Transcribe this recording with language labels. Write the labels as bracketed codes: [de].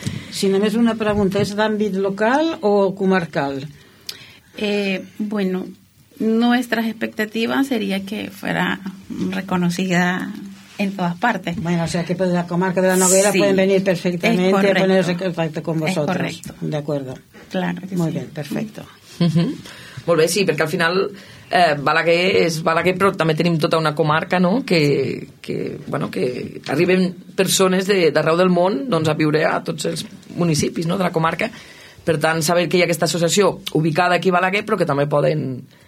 [ca] Sí, només una pregunta, és d'àmbit local o comarcal? [es] Bueno, nuestras expectativas sería que fuera reconocida en todas partes. Bueno, o sea que pues la comarca de la Noguera, sí, pueden venir perfectamente a ponerse en contacto con vosotros. Es correcto. De acuerdo. Claro que Muy sí. bien, perfecto. [ca] Molt bé, sí, perquè al final Balaguer és Balaguer, però també tenim tota una comarca, no?, que bueno, que arriben persones d'arreu del món, doncs, a viure a tots els municipis, no?, de la comarca. Per tant, saber que hi ha aquesta associació ubicada aquí a Balaguer, però que també poden...